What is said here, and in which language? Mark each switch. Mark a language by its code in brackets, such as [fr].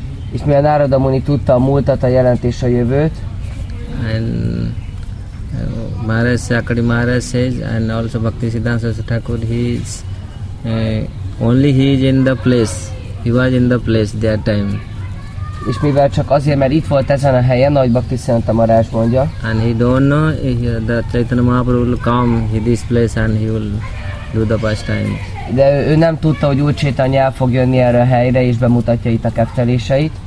[hu] És mivel Narada Muni tudta a múltat, a jelent és a jövőt. [en] And Maharaj, Sakari Maharaj says, and also Bhaktisiddhanta Saraswati Thakur, he is only he is in the place. He was in the place that time. [hu] És mivel csak azért, mert itt volt ezen a helyen, ahogy Bhaktisiddhanta Maharaj mondja. [en] And he don't know if the Chaitanya Mahaprabhu will come to this place and he will do the pastimes. [hu] De ő nem tudta, hogy Úr Chaitanya fog jönni erre a helyre és bemutatja itt a kefteléseit.